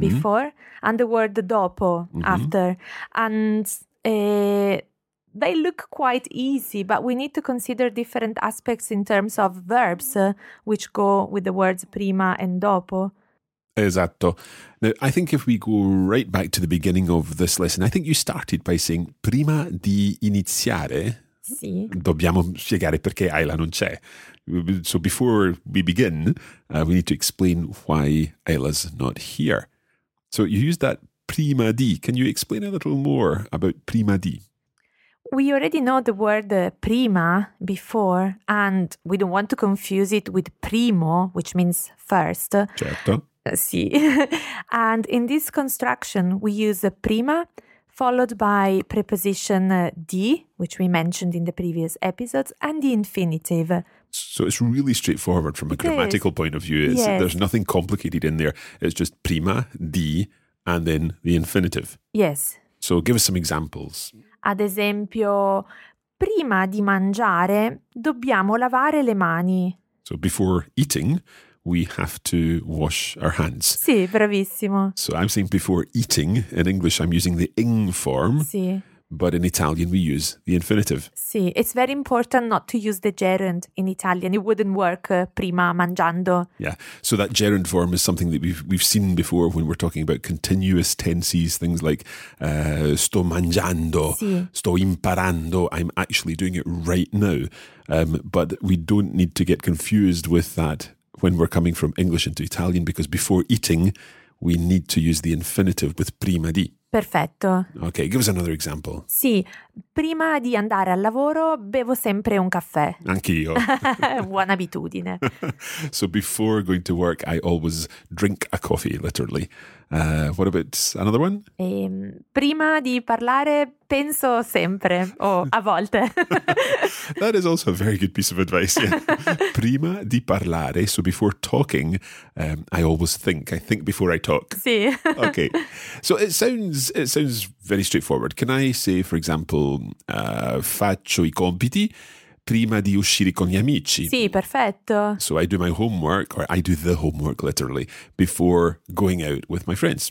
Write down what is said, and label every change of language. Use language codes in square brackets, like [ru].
[en] before, and the word dopo, mm-hmm. after. And they look quite easy, but we need to consider different aspects in terms of verbs which go with the words prima and dopo. [it] Esatto. [en] Now, I think if we go right back to the beginning of this lesson, I think you started by saying [it] prima di iniziare. Sì. Dobbiamo spiegare perché Isla non c'è. [en] So before we begin, we need to explain why Isla's not here. So you used that prima di. Can you explain a little more about prima di? We already know the word prima, before, and we don't want to confuse it with primo, which means first. [it] Certo. Sì. [en] And in this construction, we use prima followed by preposition di, which we mentioned in the previous episodes, and the infinitive. So it's really straightforward from a grammatical point of view. Yes. There's nothing complicated in there. It's just prima, di, and then the infinitive. Yes. So give us some examples. [it] Ad esempio, prima di mangiare, dobbiamo lavare le mani. [en] So before eating, we have to wash our hands. [it] Sì, bravissimo. [en] So I'm saying before eating. In English, I'm using the ing form. [it] Sì. [en] But in Italian, we use the infinitive. Sì, it's very important not to use the gerund in Italian. It wouldn't work [it] prima mangiando. [en] Yeah, so that gerund form is something that we've seen before when we're talking about continuous tenses, things like [it] sto mangiando, sì. Sto imparando, [en] I'm actually doing it right now. But we don't need to get confused with that when we're coming from English into Italian, because before eating, we need to use the infinitive with prima di. [it] Perfetto. [en] Ok, give us another example. [it] Sì, prima di andare al lavoro bevo sempre un caffè. Anch'io. Buona abitudine. [en] So before going to work, I always drink a coffee, literally. What about another one? [it] Prima di parlare penso sempre, o a volte. [en] That is also a very good piece of advice. Yeah. [it] Prima di parlare, [en] so before talking, I always think. I think before I talk. [it] Sì. [en] Okay, so it sounds very straightforward. Can I say, for example, [it] faccio I compiti prima di uscire con gli amici? Sì, perfetto. [en] So I do my homework, or I do the homework literally, before going out with my friends.